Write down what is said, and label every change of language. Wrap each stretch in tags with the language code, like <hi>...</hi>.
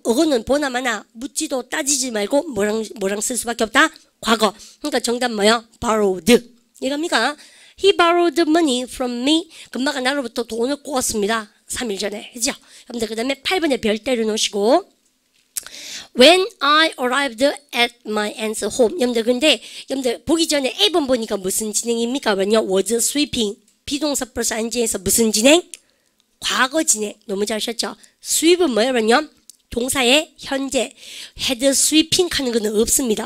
<ko>ago는 보나마나 묻지도 따지지 말고 뭐랑 쓸 수밖에 없다? 과거. 그러니까 정답 뭐예요? borrowed. 이겁니까?</ko> <en>He borrowed money from me.</en> <ko>금마가 나로부터 돈을 꾸었습니다. 3일 전에. 그죠? 여러분들, 그 다음에 8번에 별 때려놓으시고.</ko> <en>When I arrived at my aunt's home.</en> <ko>여러분들 근데 여러분들 보기 전에 A번 보니까 무슨 진행입니까? 왜냐?</ko> <en>Was sweeping.</en> <ko>비동사 플러스 ing에서 무슨 진행? 과거 진행. 너무 잘 하셨죠? Sweep은 뭐예요? 왜냐? 동사의 현재.</ko> <en>Head sweeping</en> <ko>하는 거는 없습니다.</ko>